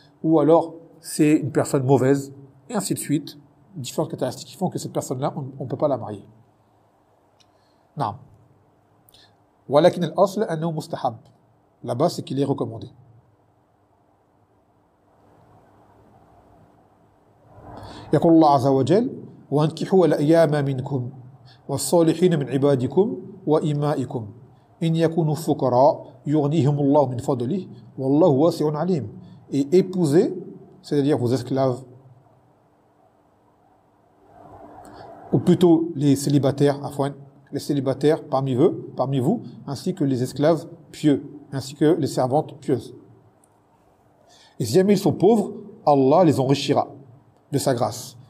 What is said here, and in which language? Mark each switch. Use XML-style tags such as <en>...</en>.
<fr>Ou alors, c'est une personne mauvaise, et ainsi de suite, différentes caractéristiques qui font que cette personne-là, on ne peut pas la marier. Non.</fr> <ar>Walakin al-asl annahu mustahab.</ar> <fr>Là-bas, c'est qu'il est recommandé.</fr> <ar>Yaqul Allah Azza wa Jal, وانكحوا الأيام منكم والصالحين من عبادكم وإمائكم إن يكونوا فقراء يغنيهم الله من فضله والله واسع عليم.</ar> <fr>Et épousez, c'est-à-dire vos esclaves, ou plutôt les célibataires parmi vous, ainsi que les esclaves pieux, ainsi que les servantes pieuses. Et si jamais ils sont pauvres, Allah les enrichira de sa grâce.</fr>